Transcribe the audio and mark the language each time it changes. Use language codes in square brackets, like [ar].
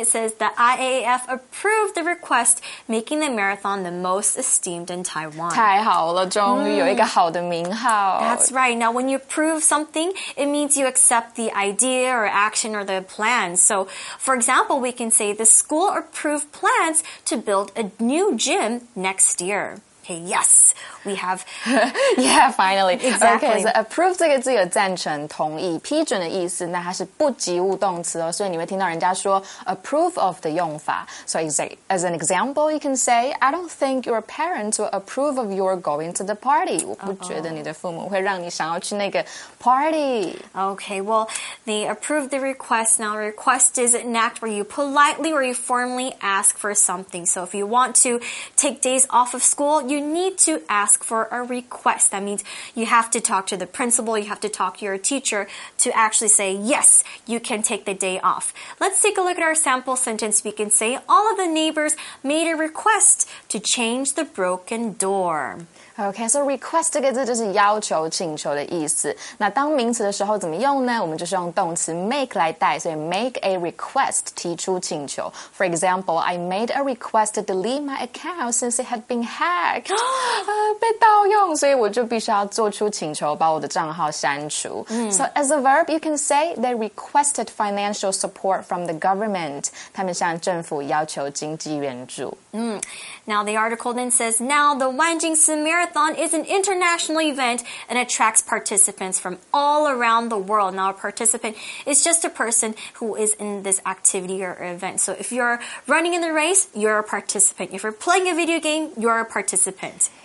[en] It says the IAAF approved the request, making the marathon the most esteemed in Taiwan. [zh] 太好了，终于有一个好的名号。 [en] That's right. Now when you approve something, it means you accept the idea or action or the plan. So, for example, we can say the school approved plans to build a new gym next year. Okay, yes, we have. Yeah, finally. Exactly. Okay, so [zh] approve 这个字有赞成、同意、批准的意思，那它是不及物动词哦，所以你会听到人家说 approve of 的用法。 [en] So as an example, you can say, I don't think your parents will approve of your going to the party. [zh] 我不觉得你的父母会让你想要去那个 party. [en] Okay, well, they approve the request. Now, request is an act where you politely or you formally ask for something. So if you want to take days off of school, you need to ask for a request. That means you have to talk to the principal, you have to talk to your teacher to actually say, yes, you can take the day off. Let's take a look at our sample sentence. We can say, all of the neighbors made a request to change the broken door. Okay, so [zh] request 这个字就是要求、请求的意思。那当名词的时候怎么用呢？我们就是用动词 make 来带，所以 [en] make a request [zh] 提出请求。 [en] For example, I made a request to delete my account since it had been hacked. [zh] 被盗用，所以我就必须要做出请求，把我的账号删除。 Mm. [en] So as a verb, you can say they requested financial support from the government. [zh] 他们向政府要求经济援助。 [en] Now the article then says, now the Wanjingsi Marathon is an international event and attracts participants from all around the world. Now a participant is just a person who is in this activity or event. So if you're running in the race, you're a participant. If you're playing a video game, you're a participant.